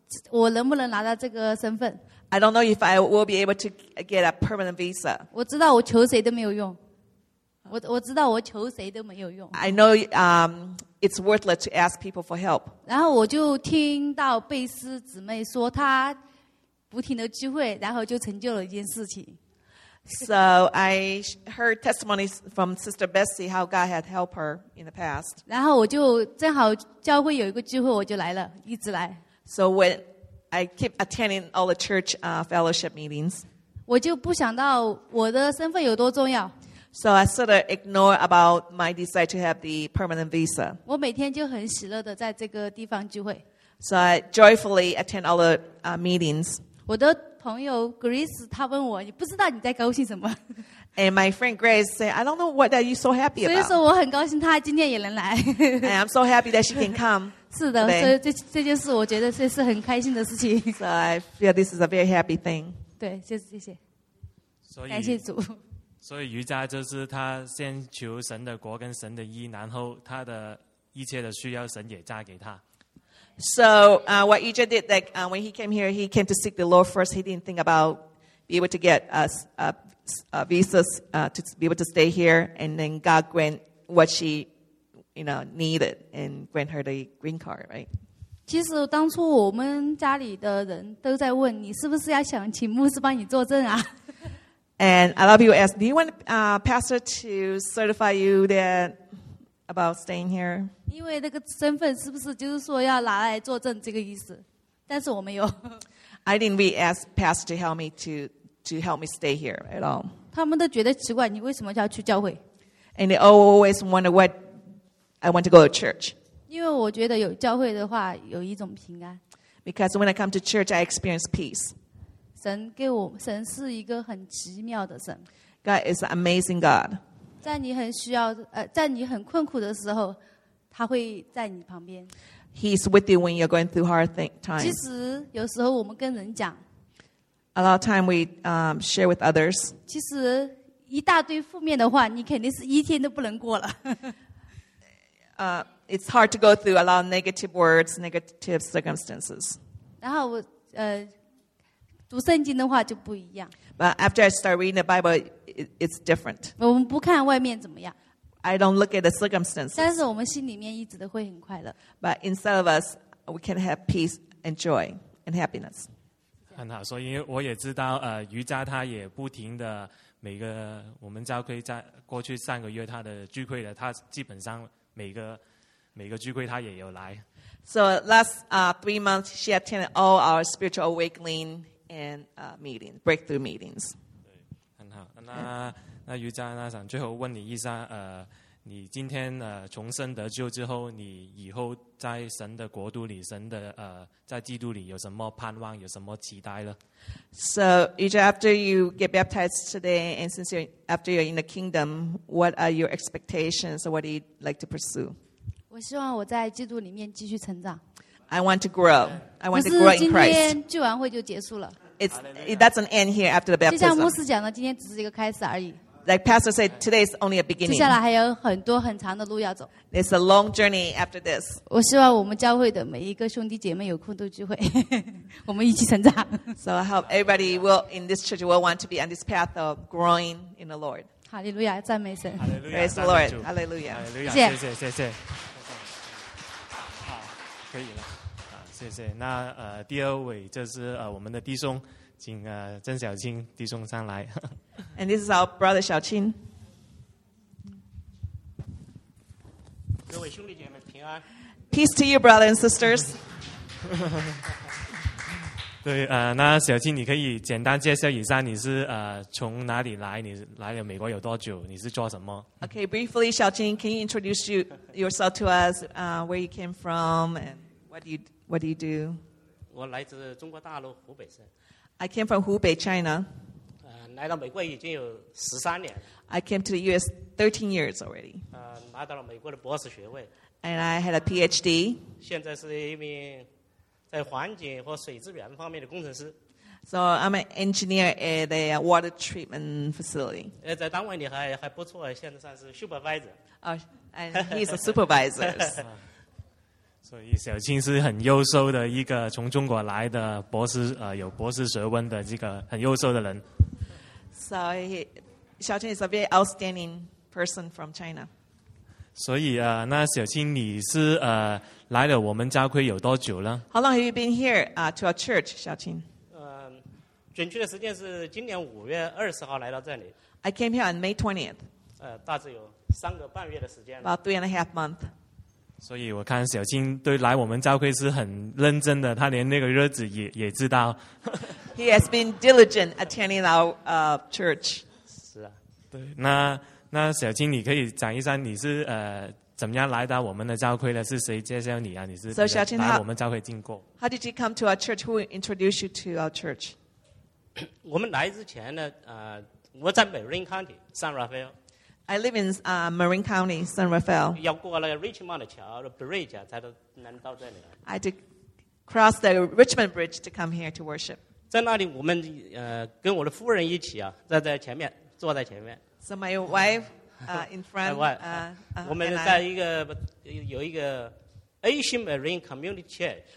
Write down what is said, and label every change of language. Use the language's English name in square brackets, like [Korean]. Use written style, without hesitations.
[Chinese] 我能不能拿到这个身份 [English] ？I don't know if I will be able to get a permanent visa. [Chinese] 我知道我求谁都没有用。我知道我求谁都没有用。 [English] I know it's worthless to ask people for help. [Chinese] 然后我就听到贝斯姊妹说她不停的聚会，然后就成就了一件事情。 [English] So I heard testimonies from Sister Bessie how God had helped her in the past. [Chinese] 然后我就正好教会有一个聚会，我就来了，一直来。 [English] So when I keep attending all the church fellowship meetings, [Chinese] 我就不想到我的身份有多重要。 [English] So I sort of ignore about my desire to have the permanent visa. [Chinese] 我每天就很喜乐的在这个地方聚会。 [English] So I joyfully attend all the meetings. [Chinese] 我的朋友 Grace 她问我，你不知道你在高兴什么。 [English] And my friend Grace said, "I don't know what are you so happy about." [Chinese] 所以说我很高兴她今天也能来。 [English] And I'm so happy that she can come. [Chinese] 是的，所以这件事我觉得这是很开心的事情。 So I feel this is a very happy thing. 对，谢谢。所以感谢主。所以瑜伽就是他先求神的国跟神的义，然后他的一切的需要神也加给他。 [English] So what Yuja did that when he came here, he came to seek the Lord first. He didn't think about be able to get us visas to be able to stay here, and then God grant what she.You know, needed and grant her the green card, right? [Chinese] 其实当初我们家里的人都在问你是不是要想请牧师帮你作证啊。 [English] And a lot of people asked, do you want a pastor to certify you that about staying here? [Chinese] 因为那个身份是不是就是说要拿来作证这个意思？但是我没有。 [English] I didn't really ask pastor to help me to help me stay here at all. [Chinese] 他们都觉得奇怪，你为什么要去教会？ [English] And they always wonder what I want to go to church. [Chinese] 因为我觉得有教会的话，有一种平安。 [English] Because when I come to church, I experience peace. [Chinese] 神给我，神是一个很奇妙的神。 [English] God is an amazing God. [Chinese] 在你很需要，在你很困苦的时候，他会在你旁边。 [English] He's with you when you're going through hard times. [Chinese] 其实有时候我们跟人讲 [English] ，A lot of time we share with others. [Chinese] 其实一大堆负面的话，你肯定是一天都不能过了。 [English] it's hard to go through a lot of negative words, negative circumstances. [Chinese] 然后我读圣经的话就不一样。 [English] But after I start reading the Bible, it's different. [Chinese] 我们不看外面怎么样。 [English] I don't look at the circumstances. [Chinese] 但是我们心里面一直都会很快乐。 [English] But inside of us, we can have peace and joy and happiness. [Chinese] 很好，所以我也知道，瑜伽他也不停的每个我们教会在过去上个月他的聚会的，他基本上每个聚会他也有来。 [English] So last three months, she attended all our spiritual awakening. And meetings, breakthrough meetings. [Chinese] 对，很好。那瑜伽，那想最后问你一下，你今天重生得救之后，你以后在神的国度里，神的在基督里有什么盼望，有什么期待呢 [English] ？So, Yuja, after you get baptized today, and since you're in the kingdom, what are your expectations? What do you like to pursue? [Chinese] 我希望我在基督里面继续成长。 [English] I want to grow. I want to grow in Christ. [Chinese] 不是今天聚完会就结束了。 [English] It doesn't end here after the baptism. [Chinese] 就像牧师讲的，今天只是一个开始而已。 [English] Like Pastor said, today is only a beginning. [Chinese] 接下来还有很多很长的路要走。 [English] It's a long journey after this. [Chinese] 我希望我们教会的每一个兄弟姐妹有空都聚会，我们一起成长。 [English] So I hope everybody will in this church will want to be on this path of growing in the Lord. [Chinese] Hallelujah! 赞美神。 [English] Hallelujah! Praise the Lord. Hallelujah! [Chinese] Hallelujah! 谢谢。可以了，谢谢。那第二位就是我们的弟兄，请郑小青弟兄上来。 [English] And this is our brother 小青。 [Chinese] 各位兄弟姐妹平安。 [English] Peace to you, brothers and sisters. [Chinese] 对，那小青，你可以简单介绍一下你是从哪里来？你来了美国有多久？你是做什么 [English] ？Okay, briefly, 小青 can you introduce yourself to us? Where you came from and what do you do? [Chinese] 我来自中国大陆湖北省。 [English] I came from Hubei, China. [Chinese] 来到美国已经有13年了。 [English] I came to the U.S. 13 years already. [Chinese] 拿到了美国的博士学位。 [English] And I had a PhD. [Chinese] 现在是一名。在环境和水资源方面的工程师。 [English] So I'm an engineer at a water treatment facility. [Chinese] 在单位里还不错，现在算是 supervisor. [English] And he's a supervisor. [Chinese] 所以小青是很优秀的一个从中国来的博士，有博士学位的这个很优秀的人。 [English] So小青 is a very outstanding person from China. [Chinese] 所以那小青你是来了我们教会有多久了 [English] ？How long have you been here, to our church, 小青？ [Chinese] 准确的时间是今年五月二十号来到这里。 [English] I came here on May 20th. [Chinese] 大致有三个半月的时间。 [English] About 3.5 months. [Chinese] 所以我看小青对来我们教会是很认真的，他连那个日子也知道。 [English] He has been diligent attending our church. [Chinese] 是啊。对，那小青，你可以讲一下你是怎么样来到我们的教会呢？是谁介绍你啊？你是来我们教会经过 [English] ？How did you come to our church? Who introduced you to our church? [Chinese] 我们来之前呢，我在 Marine County, San Rafael. [English] I live in Marine County, San Rafael. [Chinese] 要过那个 Richmond 的桥 ，Bridge 才能到这里。 [English] I did cross the Richmond Bridge to come here to worship. [Chinese] 在那里，我们跟我的夫人一起啊，站在前面，坐在前面。 [English] So my wife. In front, [Chinese] 我们在一个有一个 Asian Marine Community Church.